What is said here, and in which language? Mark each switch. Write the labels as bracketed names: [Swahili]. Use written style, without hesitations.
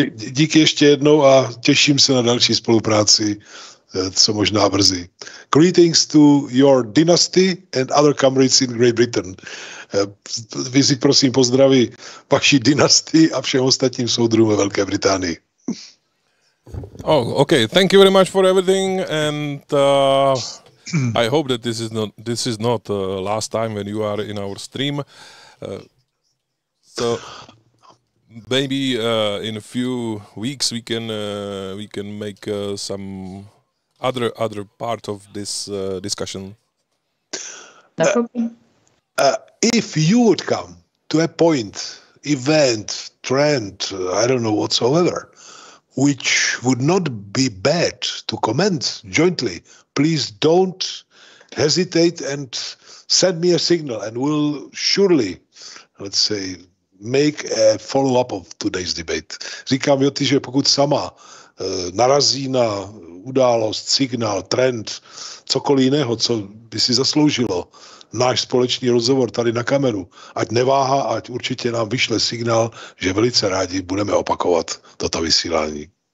[Czech] Díky ještě jednou a těším se na další spolupráci, co možná brzy. [English] Greetings to your dynasty and other comrades in Great Britain. [Czech] Vyzvěd prosím pozdraví vaší dynasty a všem ostatním soudrům ve Velké Británii. [English] Oh, okay. Thank you very much for everything and I hope that this is not last time when you are in our stream. So maybe in a few weeks we can make some other part of this discussion. If you would come to a point, event, trend, I don't know whatsoever, which would not be bad to comment jointly, please don't hesitate and send me a signal and we'll surely, let's say, make a follow-up of today's debate. [Czech] Říkám, Joti, že pokud sama narazí na událost, signál, trend, cokoliv jiného, co by si zasloužilo náš společný rozhovor tady na kameru, ať neváha, ať určitě nám vyšle signál, že velice rádi budeme opakovat toto vysílání.